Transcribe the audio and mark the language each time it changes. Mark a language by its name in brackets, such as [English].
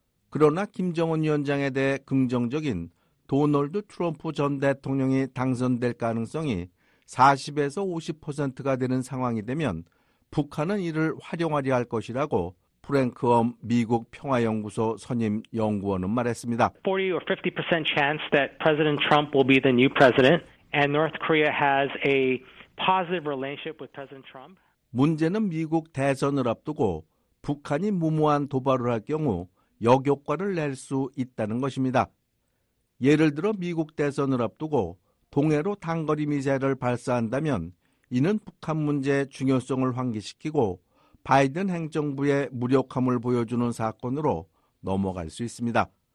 [Korean] 그러나 김정은 위원장에 대해 긍정적인 도널드 트럼프 전 대통령이 당선될 가능성이 40에서 50%가 되는 상황이 되면 북한은 이를 활용하려 할 것이라고 프랭크 엄 미국 평화연구소 선임 연구원은 말했습니다. [English] 40 or 50% chance that President Trump will be the new president and North Korea has a positive relationship with President Trump. [Korean] 문제는 미국 대선을 앞두고 북한이 무모한 도발을 할 경우 역효과를 낼 수 있다는 것입니다. 예를 들어 미국 대선을 앞두고 동해로 단거리 미사일을 발사한다면 이는 북한 문제의 중요성을 환기시키고 바이든 행정부의 무력함을 보여주는 사건으로 넘어갈 수 있습니다.